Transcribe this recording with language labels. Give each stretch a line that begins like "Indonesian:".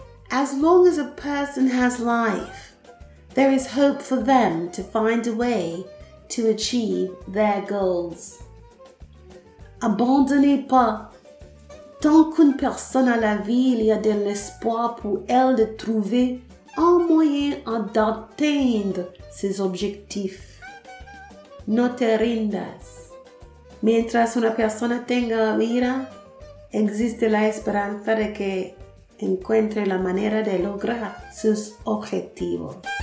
English: As long as a person has life, there is hope for them to find a way to achieve their goals.
French: Abandonnez pas. Tant qu'une personne a la vie, il y a de l'espoir pour elle de trouver un moyen d'atteindre ses objectifs.
Spanish: No te rindas. Mientras una persona tenga vida, existe la esperanza de que encuentre la manera de lograr sus objetivos.